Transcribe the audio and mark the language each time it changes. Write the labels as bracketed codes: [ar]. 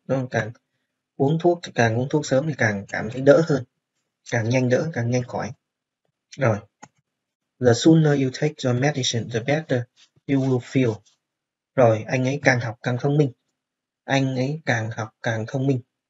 [vi] Nó càng uống thuốc thì càng uống thuốc sớm thì càng cảm thấy đỡ hơn, càng nhanh đỡ càng nhanh khỏi. [en] Rồi, the sooner you take your medicine, the better you will feel. [vi] Rồi, anh ấy càng học càng thông minh. Anh ấy càng học càng thông minh.